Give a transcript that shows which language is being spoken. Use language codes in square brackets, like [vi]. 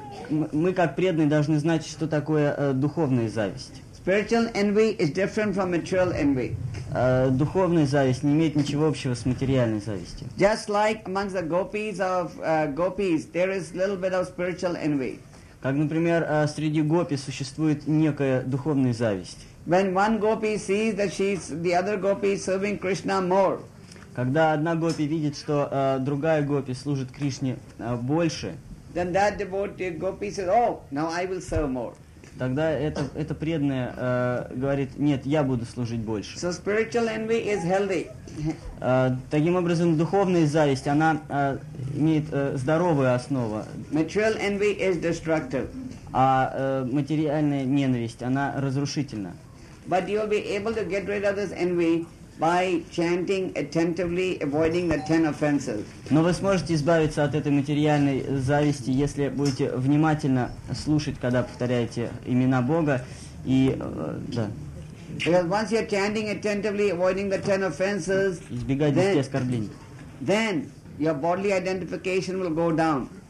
[ru] Мы как преданные должны знать, что такое духовная зависть. [en] Spiritual envy is different from material envy. [ru] Духовная зависть не имеет ничего общего с материальной завистью. [en] Just like amongst the gopis of gopis, there is little bit of spiritual envy. [ru] Как, например, среди гопи существует некая духовная зависть. [en] When one gopi sees that she's the other gopi serving Krishna more. [ru] Когда одна гопи видит, что другая гопи служит Кришне больше. [en] Then that devotee gopi says, "Oh, now I will serve more." [ru] Тогда это преданное говорит, нет, я буду служить больше. [en] So spiritual envy is healthy. [ru] Таким образом, духовная зависть, она имеет здоровую основу. [en] Material envy is destructive. [ru] А материальная ненависть, она разрушительна. [en] But you'll be able to get rid of this envy by chanting attentively, avoiding the 10 offenses. [ru] Но вы сможете избавиться от этой материальной зависти, если будете внимательно слушать, когда повторяете имена Бога, и да. [en] Because once you're chanting attentively, avoiding the 10 offenses, [ru] избегать 10 оскорблений, [en] then your bodily identification will go down.